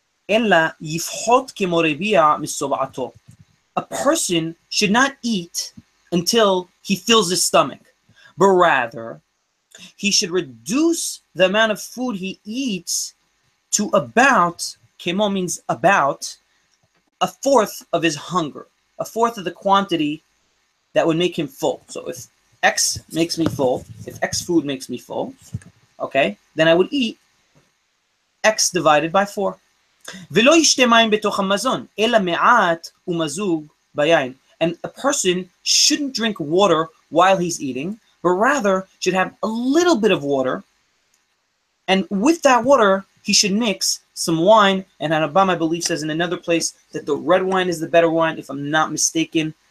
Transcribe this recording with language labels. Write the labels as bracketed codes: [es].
[en] A person should not eat until he fills his stomach, but rather he should reduce the amount of food he eats to about, kemo means about, a fourth of his hunger, a fourth of the quantity that would make him full. So if X makes me full, if X food makes me full, okay, then I would eat X divided by 4. [he] ולא ישתה מים בתוך המזון, אלא מעט ומזוג ביין. [en] And a person shouldn't drink water while he's eating, but rather should have a little bit of water. And with that water, he should mix some wine. And Harambam, I believe, says in another place that the red wine is the better wine, if I'm not mistaken.